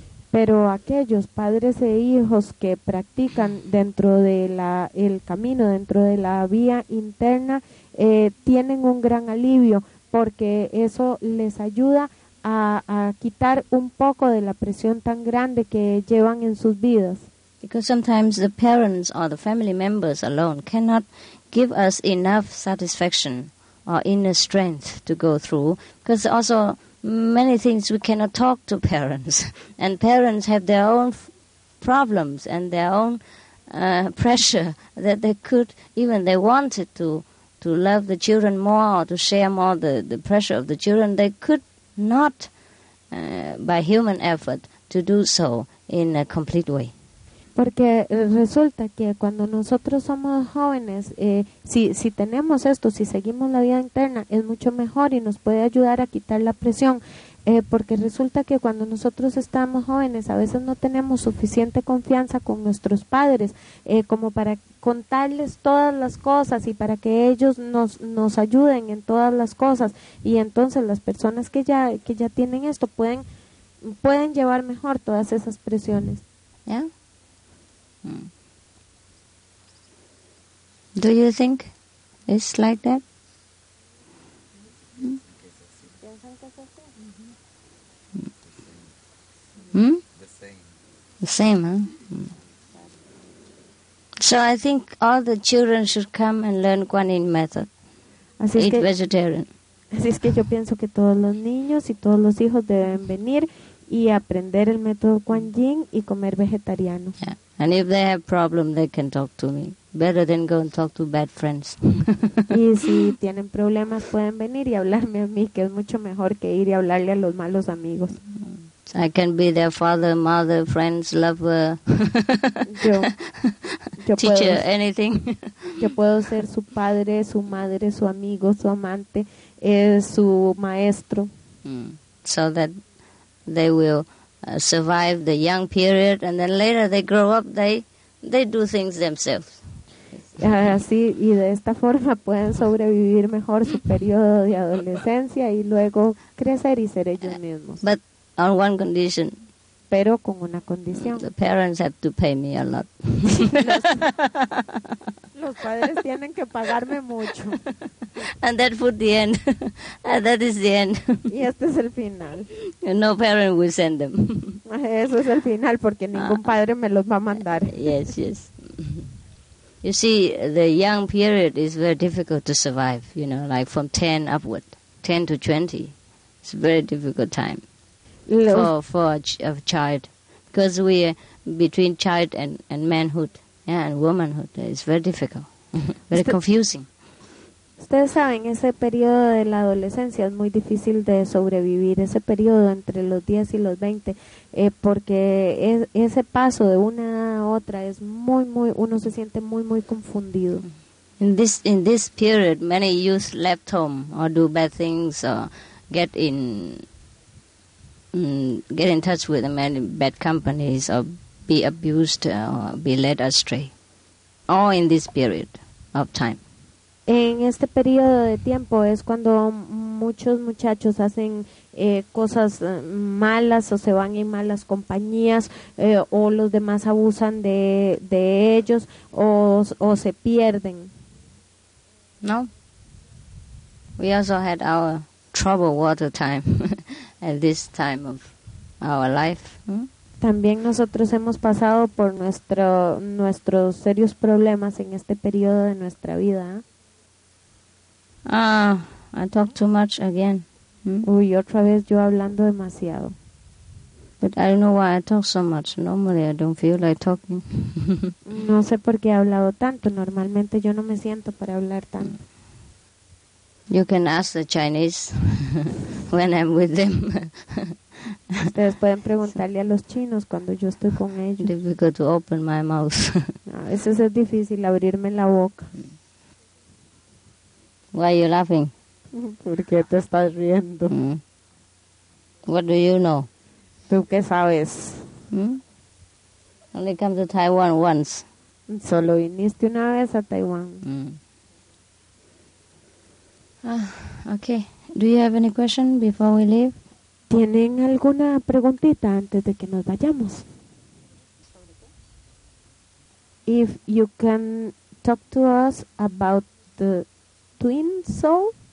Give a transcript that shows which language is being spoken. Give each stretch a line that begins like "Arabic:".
Spanish: Pero aquellos padres e hijos que practican dentro de el camino, dentro de la vía interna, tienen un gran alivio porque eso les ayuda a quitar un poco de la presión tan grande que llevan en sus vidas.
English: Because sometimes the parents or the family members alone cannot give us enough satisfaction or inner strength to go through. Because also many things we cannot talk to parents. And parents have their own problems and their own pressure that they could, even they wanted to love the children more or to share more the pressure of the children, they could not, by human effort, to do so in a complete way.
Spanish: Porque resulta que cuando nosotros somos jóvenes, si tenemos esto, si seguimos la vida interna, es mucho mejor y nos puede ayudar a quitar la presión. Porque resulta que cuando nosotros estamos jóvenes, a veces no tenemos suficiente confianza con nuestros padres como para contarles todas las cosas y para que ellos nos ayuden en todas las cosas. Y entonces las personas que ya tienen esto pueden llevar mejor todas esas presiones. ¿Ya?
English: Do you think it's like that? The same, huh? So I think all the children should come and learn Kuan Yin method. Así eat vegetarian.
Spanish: Así es que yo pienso que todos los niños y todos los hijos deben venir y aprender el método Kuan Yin y comer vegetariano.
English: Yeah. And if they have problem, they can talk to me. Better than go and talk to bad friends.
Spanish: Y si tienen problemas, pueden venir y hablarme a mí, que es mucho mejor que ir y hablarle a los malos amigos.
English: I can be their father, mother, friends, lover,
Spanish: yo
English: teacher,
Spanish: puedo,
English: anything.
Spanish: Yo puedo ser su padre, su madre, su amigo, su amante, su maestro.
English: So that they will survive the young period, and then later they grow up, they do things themselves.
Spanish: Así, y de esta forma pueden sobrevivir mejor su periodo de adolescencia y luego crecer y ser ellos mismos.
English: But on one condition.
Spanish: Pero con una condición.
English: The parents have to pay me a lot.
Spanish: Los padres tienen que pagarme mucho.
English: And that for the end. And that is the end.
Spanish: Y este es el final.
English: No parent will send them.
Spanish: Eso es el final porque ningún padre me los va a mandar.
English: Yes, yes. You see, the young period is very difficult to survive, you know, like from 10 upward, 10 to 20. It's a very difficult time for a child. Because we are between child and manhood, yeah, and womanhood. It's very difficult, very confusing.
Spanish: Ustedes saben, ese periodo de la adolescencia es muy difícil de sobrevivir, ese periodo entre los 10 y los 20, porque ese paso de una a otra es muy, muy, uno se siente muy, muy confundido.
English: In this period, many youth left home or do bad things or get in touch with many bad companies or be abused or be led astray, all in this period of time.
Spanish: En este periodo de tiempo es cuando muchos muchachos hacen cosas malas o se van en malas compañías o los demás abusan de ellos o se pierden. No.
English: We also had our trouble water time at this time of our life.
Spanish: También nosotros hemos pasado por nuestros serios problemas en este periodo de nuestra vida.
English: I talk too much again.
Spanish: Uy, otra vez yo hablando demasiado.
English: But I don't know why I talk so much. Normally I don't feel like talking.
Spanish: No sé por qué he hablado tanto. Normalmente yo no me siento para hablar tanto.
English: You can ask the Chinese when I'm with them.
Spanish: Ustedes pueden preguntarle a los chinos cuando yo estoy con ellos.
English: Difficult to open my mouth.
Spanish: A veces es difícil abrirme la boca.
English: Why are you laughing?
Spanish: ¿Por qué te estás riendo? Mm.
English: What do you know?
Spanish: ¿Tú qué sabes?
English: Only come to Taiwan once.
Spanish: Solo viniste una vez a Taiwán.
English: Okay. Do you have any question before we leave?
Spanish: ¿Tienen alguna preguntita antes de que nos vayamos?
English: If you can talk to us about the twin soul?